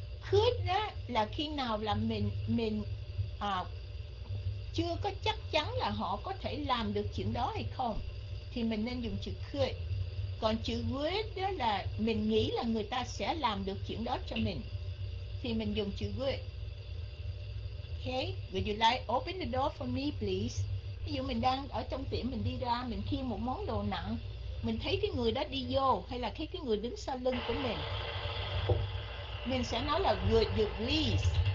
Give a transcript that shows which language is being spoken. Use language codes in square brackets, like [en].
[vi] Could đó là khi nào là chưa có chắc chắn là họ có thể làm được chuyện đó hay không thì mình nên dùng chữ could. Còn chữ would đó là mình nghĩ là người ta sẽ làm được chuyện đó cho mình thì mình dùng chữ would. [en] Okay, would you like open the door for me please? [vi] Ví dụ mình đang ở trong tiệm, mình đi ra mình khiêng một món đồ nặng, mình thấy cái người đó đi vô hay là thấy cái người đứng sau lưng của mình, mình sẽ nói là [en] would you please.